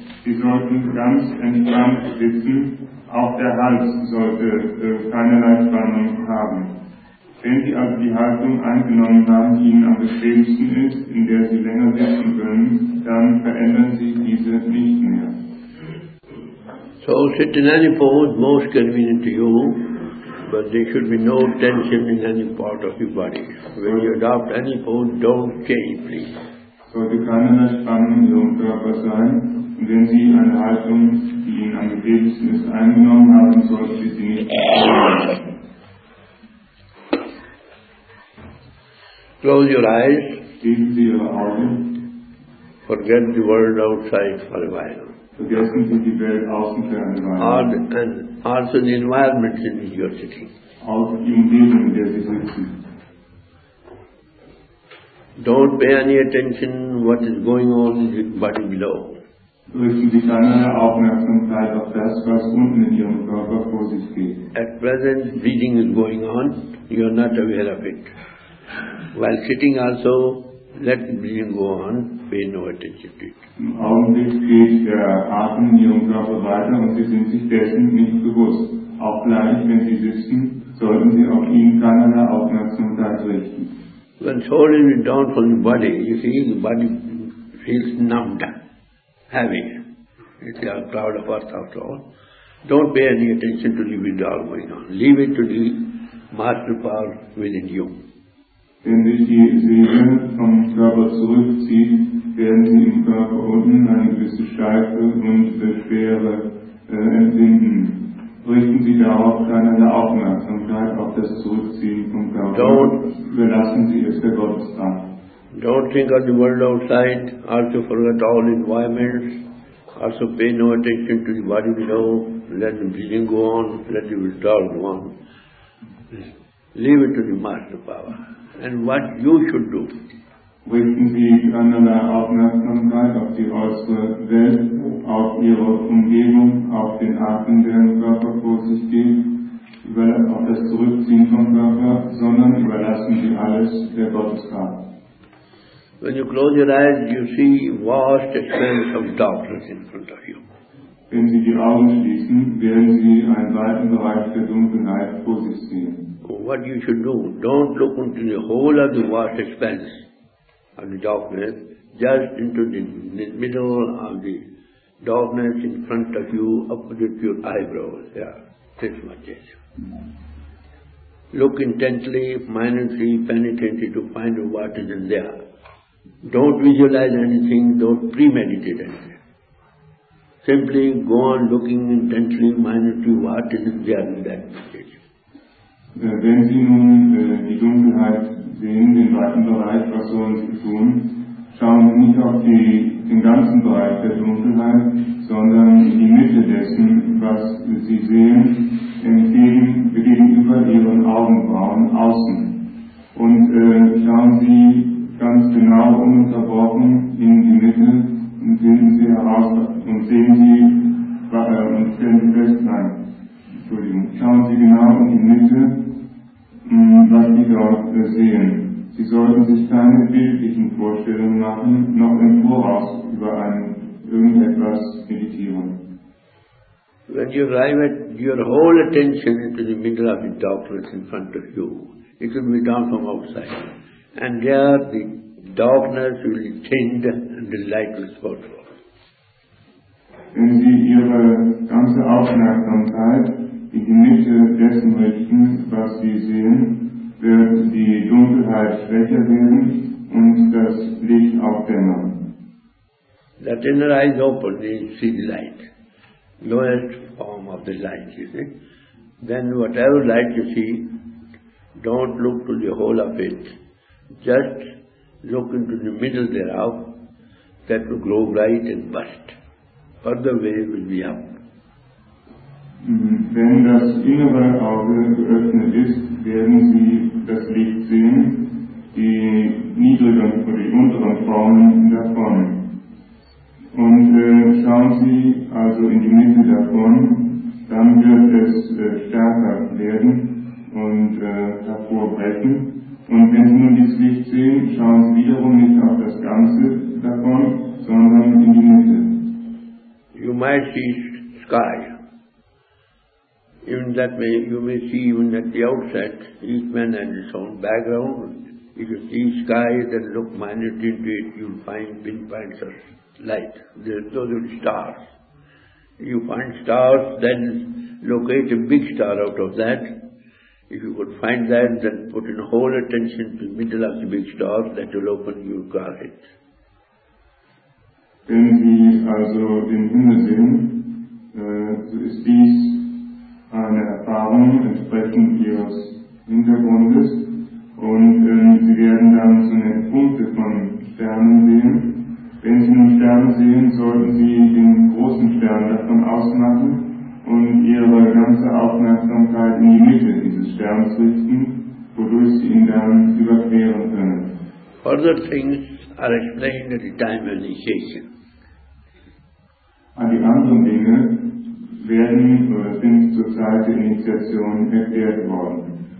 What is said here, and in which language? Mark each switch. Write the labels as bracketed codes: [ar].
[de] Sie sollten ganz entspannt sitzen, auch der Hals sollte keinerlei Spannung haben. Wenn Sie also die Haltung eingenommen haben, die Ihnen am bequemsten ist, in der Sie länger sitzen können, dann verändern Sie diese nicht mehr. [en] So sit in any pose most convenient to you, but there should be no tension in any part of your body. When you adopt any pose, don't change, please. [de] Sollte keinerlei Spannung in Ihrem Körper sein. Und wenn Sie eine Haltung, die Ihnen am gegebensten ist, eingenommen haben, sollten Sie sie nicht verändern. [en] Close your eyes. [de] Schließen Sie Ihre Augen. [en] Forget the world outside for a while. [de] Vergessen Sie die Welt außen für eine Weile. [en] And also the environment in which you are sitting. [de] Auch die Umgebung, in der Sie sitzen. [en] Don't pay any attention what is going on in the body below. [de] Richten Sie keine Aufmerksamkeit auf das, was unten in Ihrem Körper vor sich geht. [en] At present, breathing is going on. You are not aware of it. While sitting also, let breathing go on. Pay no attention to it. [de] Im Augenblick geht der Atem in Ihrem Körper weiter und Sie sind sich dessen nicht bewusst. Auch gleich, wenn Sie sitzen, sollten Sie auf ihn keine Aufmerksamkeit richten. [en] When soul is down from the body, you see, the body feels numbed, heavy. It's a cloud of earth after all. Don't pay any attention to the withdrawal going on. Leave it to the master power within you. [de] Wenn Sie die Seele vom Körper zurückziehen, werden Sie im Körper unten eine gewisse Steife und Schwere empfinden. Richten Sie darauf keine Aufmerksamkeit auf das Zurückziehen vom Körper. [en] Don't [de] überlassen Sie es der Gotteskraft. [en] Don't think of the world outside, also forget all environments, also pay no attention to the body below, let the breathing go on, let the withdrawal go on. Leave it to the master power. And what you should do. [de] Richten Sie keinerlei Aufmerksamkeit auf die äußere Welt, auf Ihre Umgebung, auf den Atem, der im Körper vor sich geht, auf das Zurückziehen vom Körper, sondern überlassen Sie alles der Gotteskraft. [en] When you close your eyes, you see vast expanse of darkness in front of you. [de] Wenn Sie die Augen schließen, werden Sie einen weiten Bereich der Dunkelheit vor sich sehen. [en] What you should do, don't look into the whole of the vast expanse of the darkness, just into the middle of the darkness in front of you, opposite your eyebrows. Yeah, this much is. Look intently, minutely, penitently to find what is in there. Don't visualize anything, don't premeditate anything. Simply go on looking intently, minutely, what is there in that meditation. [de] Wenn Sie nun die Dunkelheit sehen, den weiten Bereich, was sollen Sie tun? Schauen Sie nicht auf den ganzen Bereich der Dunkelheit, sondern in die Mitte dessen, was Sie sehen, entgegen waren, außen. Und da haben sie ganz genau ununterbrochen in die Mitte und sehen sie heraus und sehen sie und stellen sie fest, nein, Entschuldigung, schauen sie genau in die Mitte, was sie dort sehen. Sie sollten sich keine bildlichen Vorstellungen machen, noch im Voraus über irgendetwas meditieren. [en] When you arrive at your whole attention into the middle of the darkness in front of you, it will be dark from outside. And there the darkness will be thinned and the light will spot forth. [de] Wenn Sie Ihre ganze Aufmerksamkeit in die Mitte dessen richten, was Sie sehen, wird die Dunkelheit schwächer werden und das Licht aufdämmern. [en] That inner eyes open, they see the light. Lowest form of the light, you see. Then whatever light you see, don't look to the whole of it. Just look into the middle thereof, that will grow bright and burst. Further way will be up. [de] Wenn das innere Auge geöffnet ist, werden Sie das Licht sehen, die niedrigen oder die unteren Formen davon. Und schauen Sie also in die Mitte davon, dann wird es stärker werden und hervorbrechen. Und wenn Sie nun dieses Licht sehen, schauen Sie wiederum nicht auf das Ganze davon, sondern in die Mitte. [en] You might see sky. Even that way, you may see even at the outset, each man has his own background. If you see sky, then look minutely into it, you'll find pinpoints of light. Those are stars. You find stars, then locate a big star out of that. If you could find that, then put in whole attention to the middle of the big star, that will open your car head. [de] Wenn Sie also den Himmel sehen, so ist dies eine Erfahrung entsprechend Ihres Hintergrundes. Und Sie werden dann so eine Punkte von Sternen sehen. Wenn Sie nun Sterne sehen, sollten Sie den großen Stern davon ausmachen und Ihre ganze Aufmerksamkeit in die Mitte dieses Sterns richten, wodurch Sie ihn dann überqueren können. [en] Other things are explained at the time of initiation. [de] An die anderen Dinge werden oder sind zur Zeit der Initiation erklärt worden.